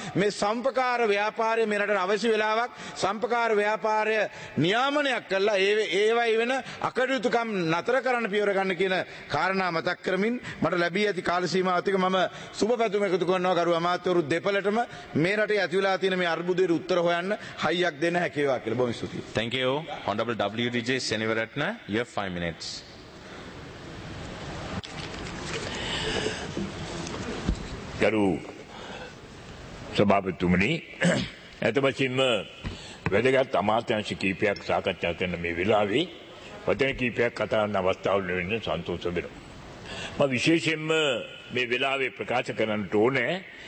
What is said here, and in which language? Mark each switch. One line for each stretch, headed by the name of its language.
Sinhala: මේ සම්පකාර ව්‍යාපාරය මෙරට අවශ්‍ය වෙලාවක් සම්පකාර ව්‍යාපාරය නියාමනයක් කරලා ඒවයි වෙන අකටයුතුකම් නතර කරන්න පියවර ගන්න කියන කාරණා මතක් කරමින් මට ලැබී ඇති කාල සීමාව තුක මම සුබපැතුම් එකතු කරනවා ගරු අමාත්‍යවරු දෙපළටම මේ රටේ ඇති වෙලා තියෙන මේ අර්බුදයට උත්තර හොයන්න හයියක් දෙන්න හැකියාවක් කියලා. බොහොම ස්තුතියි.
English: Thank you. Honorable WDJ Senivaratna, you have 5 minutes.
Sinhala: ගරු සභාපතිතුමනි, එතබසින්ම වැදගත් අමාත්‍යංශ කීපයක් සාකච්ඡා කරන මේ වෙලාවේ වචන කීපයක් කතා කරන්න අවස්ථාව ලැබෙන්නේ සන්තෝෂ වෙනවා. මම විශේෂයෙන්ම මේ වෙලාවේ ප්‍රකාශ කරන්නට ඕනේ